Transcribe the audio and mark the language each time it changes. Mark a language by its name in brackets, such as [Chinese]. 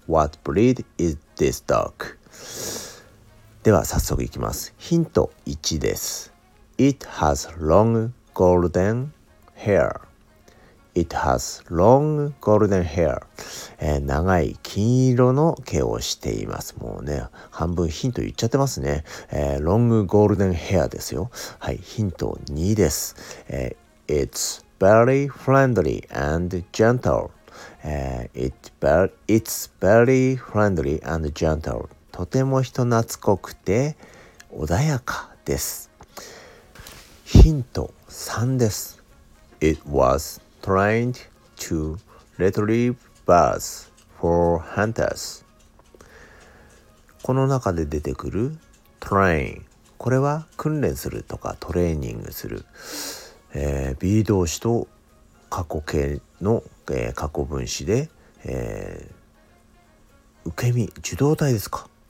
[English] What breed is this dog? [Japanese] では早速いきます。ヒント1です。 [English] It has long golden hair. It has long golden hair. [Japanese] 長い金色の毛をしています。もうね、半分ヒント言っちゃってますね。 [English] Long golden hair [Japanese] ですよ。はい、ヒント2です。 [English] It's very friendly and gentle. It's very friendly and gentle. [Japanese] とても人懐っこくて穏やかです。ヒント3です。 [English] It was trained to retrieve birds for hunters. [Japanese] この中で出てくる train、これは訓練するとかトレーニングする。 B 動詞と過去形の、過去分詞で、受け身、受動態ですか。